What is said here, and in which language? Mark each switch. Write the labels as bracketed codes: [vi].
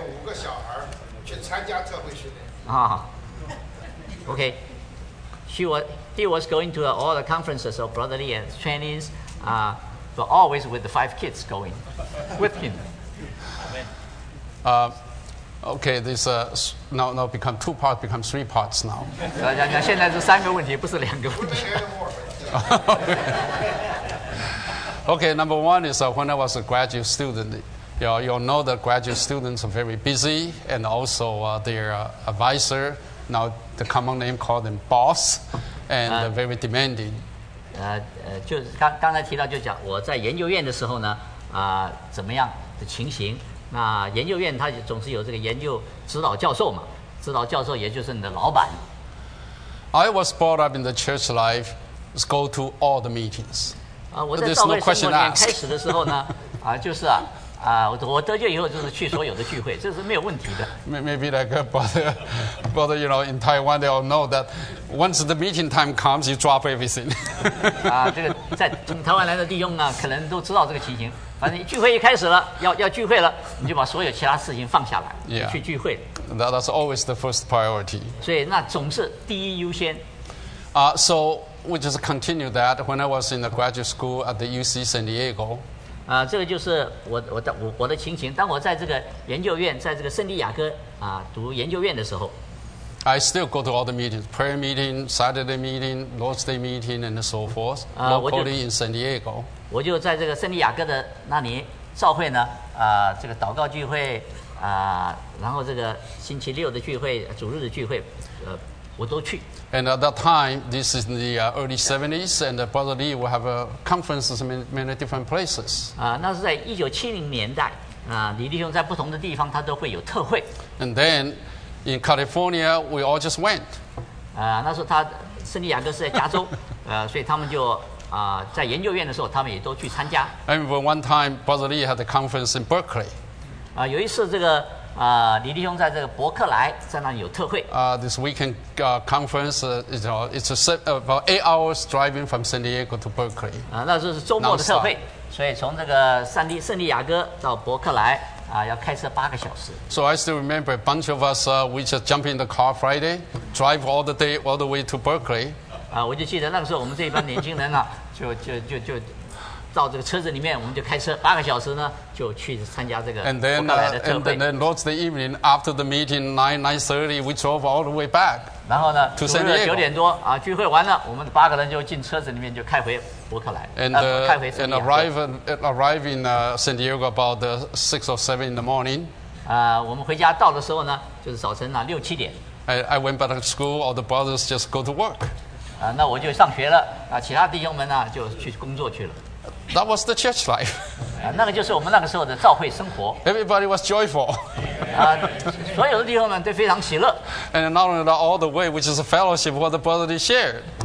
[zh] 五个小孩去参加特会训练。啊。 [en] Okay, he was going to all the conferences of Brother Lee and trainings, but always with the five kids going with him. Okay, this now become two parts, become three parts now. [zh] 现在是三个问题，不是两个问题。 [en] Okay, number one is when I was a graduate student. You all know that graduate students are very busy, and also their advisor, now the common name called them boss, and very demanding. [zh] 就刚才提到就讲我在研究院的时候呢，怎么样的情形？那研究院他总是有这个研究指导教授嘛，指导教授也就是你的老板。 [en] I was brought up in the church life, go to all the meetings. [zh] 我在教会生活里面开始的时候呢，我得救以后就是去所有的聚会，这是没有问题的。 [en] Maybe like brother, you know, in Taiwan, they all know that once the meeting time comes, you drop everything. [zh] 这个在从台湾来的弟兄啊，可能都知道这个情形。反正聚会一开始了，要聚会了，你就把所有其他事情放下来， yeah, 去聚会。 [en] That's always the first priority. [zh] 所以那总是第一优先。 [en] So we just continue that when I was in the graduate school at the UC San Diego. [zh] 这个就是我的情形。当我在这个研究院，在这个圣地亚哥读研究院的时候 [en] ，I still go to all the meetings, prayer meeting, Saturday meeting, Lord's Day meeting, and so forth. Locally in San Diego, [zh] 我就在这个圣地亚哥的那里召会呢，这个祷告聚会然后这个星期六的聚会、主日的聚会，我都去。 [en] And at that time, this is in the early 70s, and Brother Lee will have conferences in many different places. [zh] 那是在1970年代，李弟兄在不同的地方他都会有特会。 [en] And then, in California, we all just went. [zh] 那时候他圣地亚哥是在加州，所以他们就在研究院的时候，他们也都去参加。 [en] I remember one time, Brother Lee had a conference in Berkeley. [zh] 有一次这个。李弟兄在这个伯克莱在那里有特会。 [en] This weekend conference about 8 hours driving from San Diego to Berkeley. [zh] 那就是周末的特会，所以从这个圣地亚哥到伯克莱要开车八个小时。 [en] So I still remember a bunch of us we just jump in the car Friday, drive all the way to Berkeley. [zh] 我就记得那个时候我们这一帮年轻人就到这个车子里面，我们就开车八个小时呢，就去参加这个伯克莱的特会。 [en] And then Lord's Day evening after the meeting nine thirty, we drove all the way back. [zh] 然后呢，主日九点多聚会完了，我们八个人就进车子里面就开回伯克莱。 [en] And arrive in San Diego about 6 or 7 in the morning. [zh] 我们回家到的时候呢，就是早晨六七点。 [en] I went back to school. All the brothers just go to work. [zh] 那我就上学了其他弟兄们就去工作去了。 [en] That was the church life. [zh] 那个就是我们那个时候的召会生活。 [en] Everybody was joyful. [zh] 所有的弟兄们都非常喜乐。 [en] And not only that, all the way, which is a fellowship, what the brother shared.